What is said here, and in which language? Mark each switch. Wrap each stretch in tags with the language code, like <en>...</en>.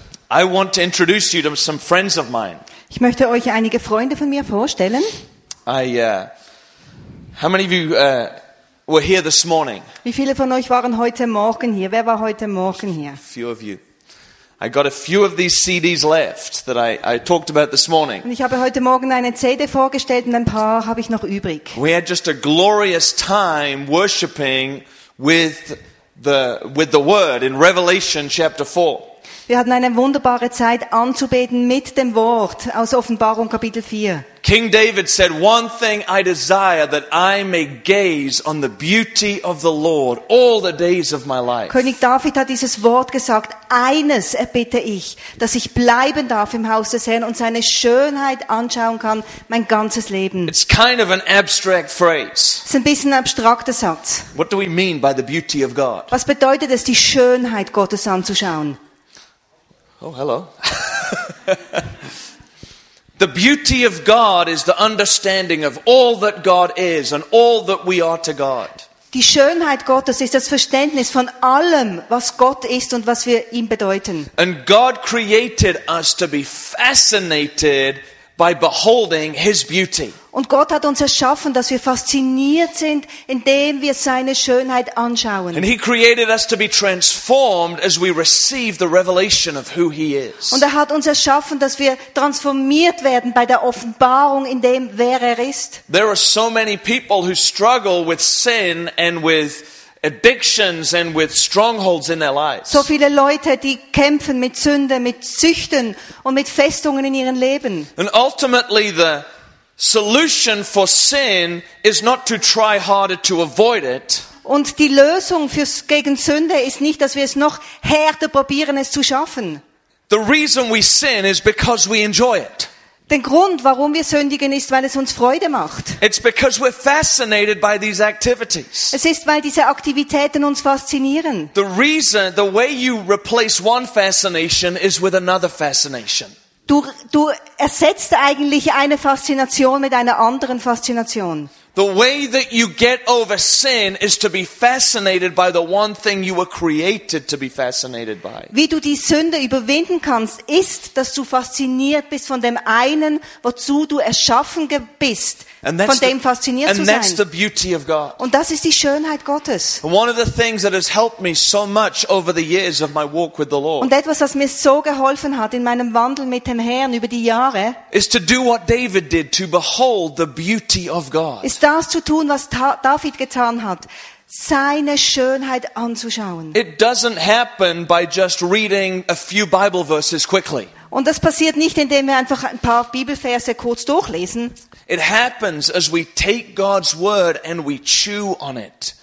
<en>I want to introduce you to some friends of mine.</en> <de>Ich möchte euch einige Freunde von mir vorstellen.</de> <en>How many of you were here this morning?</en> <de>Wie viele von euch waren heute Morgen hier? Wer war heute Morgen hier?</de> <en>A few of you. I got a few of these CDs left that I talked about this morning.</en> <de>Und ich habe heute Morgen eine CD vorgestellt und ein paar habe ich noch übrig.</de> <en>We had just a glorious time worshiping with the word in Revelation chapter 4.</en> <de>Wir hatten eine wunderbare Zeit anzubeten mit dem Wort aus Offenbarung Kapitel 4.</de> <en>King David said, "One thing I desire, that I may gaze on the beauty of the Lord all the days of my life."</en> <de>König David hat dieses Wort gesagt, eines erbitte ich, dass ich bleiben darf im Haus des Herrn und seine Schönheit anschauen kann mein ganzes Leben.</de> <en>It's kind of an abstract phrase.</en> <de>Es ist ein bisschen ein abstrakter Satz.</de> <en>What do we mean by the beauty of God?</en> <de>Was bedeutet es, die Schönheit Gottes anzuschauen?</de> <en>Oh, hello. The beauty of God is the understanding of all that God is and all that we are to God.</en> <de>Die Schönheit Gottes ist das Verständnis von allem, was Gott ist und was wir ihm bedeuten.</de> <en>And God created us to be fascinated by beholding his beauty.</en> <de>Und Gott hat uns erschaffen, dass wir fasziniert sind, indem wir seine Schönheit anschauen.</de> <en>And he created us to be transformed as we receive the revelation of who he is.</en> <de>Und er hat uns erschaffen, dass wir transformiert werden bei der Offenbarung in dem, wer er ist.</de> <en>There are so many people who struggle with sin and with addictions and with strongholds in their lives.</en> <de>So viele Leute, die kämpfen mit Sünde, mit Süchten und mit Festungen in ihren Leben.</de> <en>And ultimately the solution for sin is not to try harder to avoid it.</en> <de>Und die Lösung fürs gegen Sünde ist nicht, dass wir es noch härter probieren es zu schaffen.</de> <en>The reason we sin is because we enjoy it.</en> <de>Den Grund, warum wir sündigen, ist, weil es uns Freude macht.</de> <en>It's because we're fascinated by these activities.</en> <de>Es ist, weil diese Aktivitäten uns faszinieren.</de> <en>The reason, the way you replace one fascination is with another fascination.</en> <de>Du ersetzt eigentlich eine Faszination mit einer anderen Faszination.</de> <en>The way that you get over sin is to be fascinated by the one thing you were created to be fascinated by.</en> <de>Wie du die Sünde überwinden kannst, ist, dass du fasziniert bist von dem einen, wozu du erschaffen bist, von dem fasziniert zu sein.</de> <en>And that's the beauty of God.</en> <de>Und das ist die Schönheit Gottes.</de> <en>One of the things that has helped me so much over the years of my walk with the Lord.</en> <de>Und etwas, was mir so geholfen hat in meinem Wandel mit dem Herrn über die Jahre,</de> <en>is to do what David did, to behold the beauty of God.</en> <de>Ist das zu tun, was David getan hat, seine Schönheit anzuschauen.</de> <en>It doesn't happen by just reading a few Bible verses quickly.</en> <de>Und das passiert nicht, indem wir einfach ein paar Bibelverse kurz durchlesen.</de> <en>It happens as we take God's word and we chew on it.</en>